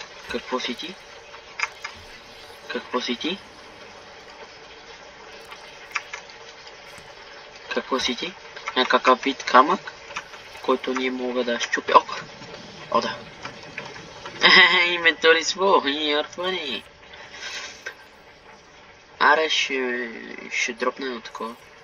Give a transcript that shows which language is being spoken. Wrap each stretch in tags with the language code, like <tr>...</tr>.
<bg>Какво си ти? Какво си ти? Какво си ти? Някакъв вид камък, който не мога да щупя. Ох! О, да.</bg> <en>Inventory full, you're funny.</en> <bg>Аре, ще дропне едно такова.</bg>